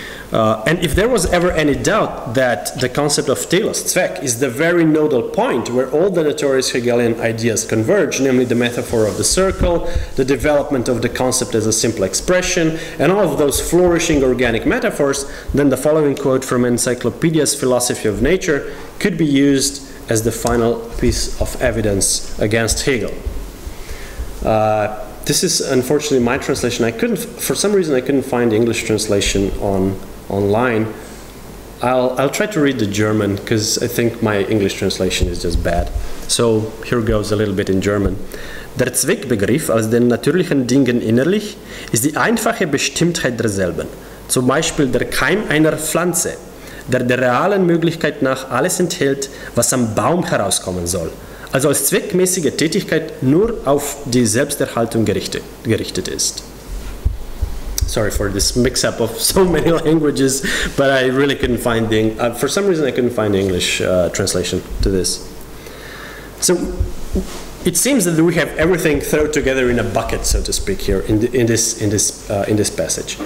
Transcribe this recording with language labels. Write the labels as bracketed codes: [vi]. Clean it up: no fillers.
[en] And if there was ever any doubt that the concept of telos, zweck, is the very nodal point where all the notorious Hegelian ideas converge, namely the metaphor of the circle, the development of the concept as a simple expression, and all of those flourishing organic metaphors, then the following quote from Encyclopedia's Philosophy of Nature could be used as the final piece of evidence against Hegel. This is unfortunately my translation. For some reason I couldn't find the English translation online. I'll try to read the German because I think my English translation is just bad. So here goes a little bit in German. [de] Der Zweckbegriff aus den natürlichen Dingen innerlich ist die einfache Bestimmtheit derselben, zum Beispiel der Keim einer Pflanze, der der realen Möglichkeit nach alles enthält, was am Baum herauskommen soll, also als zweckmäßige Tätigkeit nur auf die Selbsterhaltung gerichtet ist. [en] Sorry for this mix-up of so many languages, but I really couldn't find the for some reason I couldn't find the English translation to this. So it seems that we have everything thrown together in a bucket, so to speak, here in this passage.